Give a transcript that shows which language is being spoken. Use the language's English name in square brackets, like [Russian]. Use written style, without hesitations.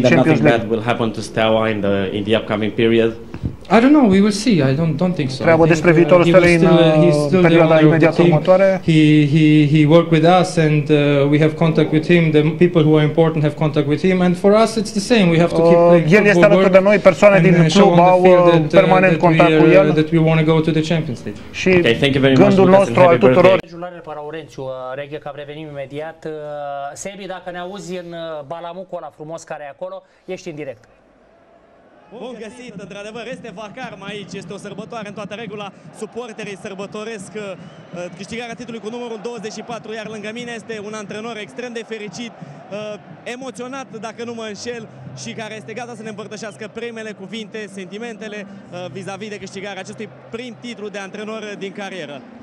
[English] Do you think that nothing bad will happen to Steaua in the upcoming period? I don't know, we will see. I don't think so. [Romanian] Treaba despre viitorul Steaua în perioada imediat următoare. [English] He worked with us and we have contact with him. The people who are important have contact with him, and for us it's the same. We have to keep playing. [Romanian] El este alături de noi, persoane din club au permanent contact cu el. [English] That we want to go to the Champions League. [Romanian] Și [English] okay, thank you very much. [Romanian] Gândul nostru al tuturor. Jurnalele pe Aurențiu, Reghe, că revenim imediat. Sebi, dacă ne auzi în balamucul ăla frumos care e acolo, ești în direct. Bun găsit, într-adevăr, este Vacarma aici, este o sărbătoare în toată regula, suporterii sărbătoresc câștigarea titlului cu numărul 24, iar lângă mine este un antrenor extrem de fericit, emoționat, dacă nu mă înșel, și care este gata să ne împărtășească primele cuvinte, sentimentele vis-a-vis de câștigarea acestui prim titlu de antrenor din carieră.